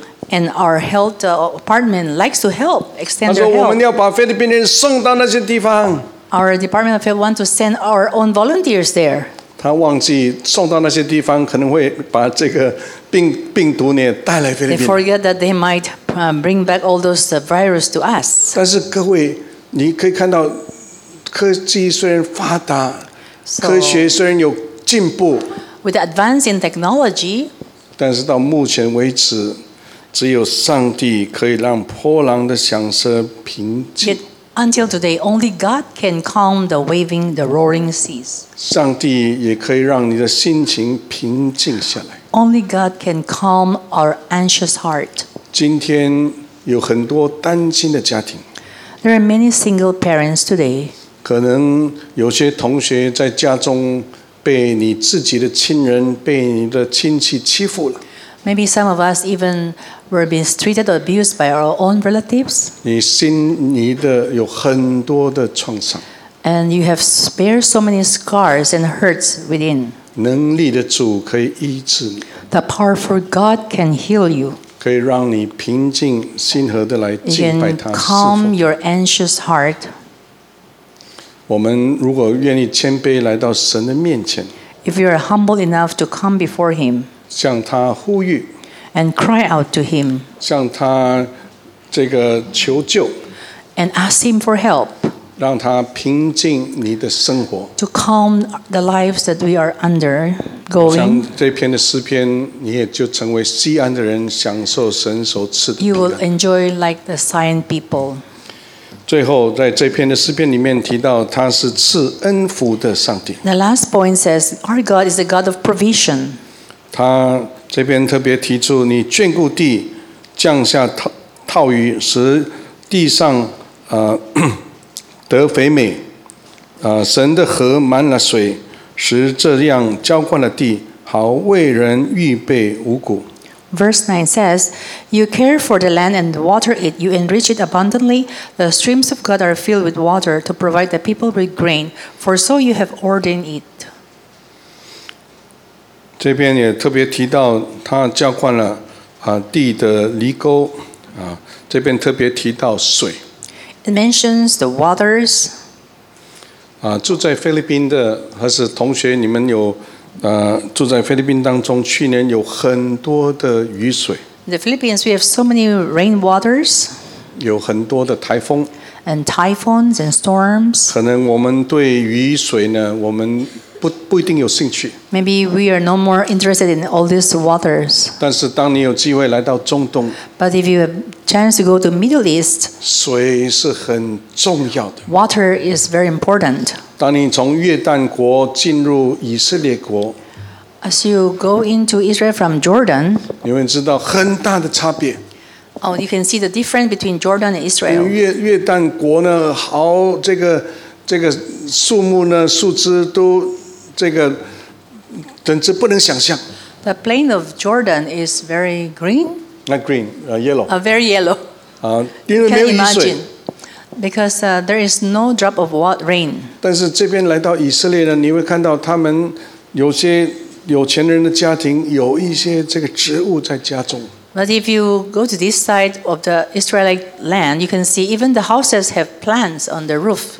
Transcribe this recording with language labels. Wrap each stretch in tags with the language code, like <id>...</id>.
<en>And our health department likes to help extend their help.</en> <zh>他说我们要把菲律宾人送到那些地方。</zh> <en>Our department of health want to send our own volunteers there.</en> <zh>他忘记送到那些地方可能会把这个病毒呢带来菲律宾。</zh> <en>They forget that they might bring back all those virus to us.</en> <zh>但是各位，你可以看到，科技虽然发达，科学虽然有进步</zh> <en>，with the advance in technology，</en> <zh>但是到目前为止，只有上帝可以让波浪的响声平静。</zh> <en>Yet until today, only God can calm the waving, the roaring seas.</en> <zh>上帝也可以让你的心情平静下来。</zh> <en>Only God can calm our anxious heart.</en> <zh>今天有很多担心的家庭。</zh> <en>There are many single parents today.</en> <zh>可能有些同学在家中被你自己的亲人、被你的亲戚欺负了。</zh> <en>Maybe some of us even were being treated or abused by our own relatives.</en> <zh>你心里的有很多的创伤。</zh> <en>And you have spared so many scars and hurts within.</en> <zh>能力的主可以医治你。</zh> <en>The powerful God can heal you.</en> <zh>可以让你平静心和的来敬拜他。</zh> <en>Calm your anxious heart.</en> <zh>我们如果愿意谦卑来到神的面前</zh> <en>，If you are humble enough to come before Him，</en> <zh>向他呼吁</zh> <en>，And cry out to Him，</en> <zh>向他这个求救</zh> <en>，And ask Him for help，</en> <zh>让他平静你的生活</zh> <en>，To calm the lives that we are under。 Going,</en> <zh>像这篇的诗篇，你也就成为西安的人，享受神所赐的。</zh> <en>You will enjoy like the Zion people.</en> <zh>最后，在这篇的诗篇里面提到，他是赐恩福的上帝。</zh> <en>The last point says, our God is a God of provision.</en> <zh>他这边特别提出，你眷顾地，降下套雨，使地上得肥美。神的河满了水。使这样浇灌了地，好为人预备五谷。</zh> <en>Verse 9 says, "You care for the land and water it; you enrich it abundantly. The streams of God are filled with water to provide the people with grain, for so you have ordained it."</en> <zh>这边也特别提到，他浇灌了地的犁沟这边特别提到水。</zh> <en>It mentions the waters.</en> <zh>住在菲律宾的还是同学，你们有住在菲律宾当中，去年有很多的雨水。</zh> <en>The Philippines, we have so many rain waters.</en> <zh>有很多的台风。</zh> <en>And typhoons and storms.</en> <zh>可能我们对雨水呢，我们不一定有兴趣。</zh> <en>Maybe we are no more interested in all these waters.</en> <zh>但是当你有机会来到中东</zh> <en>，But if you have chance to go to Middle East,</en> <zh>水是很重要的。</zh> <en>Water is very important.</en> <zh>当你从约旦国进入以色列国</zh> <en>，As you go into Israel from Jordan,</en> <zh>你会知道很大的差别。</zh> <en>Oh, you can see the difference between Jordan and Israel.</en> <zh>约旦国呢，好这个。这个树木呢，树枝都这个，简直不能想象。</zh> <en>The plain of Jordan is very green. Not green, yellow. Very yellow. Can you imagine? Because there is no drop of rain.</en> <zh>但是这边来到以色列呢，你会看到他们有些有钱人的家庭有一些这个植物在家中。</zh> <en>But if you go to this side of the Israelite land, you can see even the houses have plants on the roof.</en>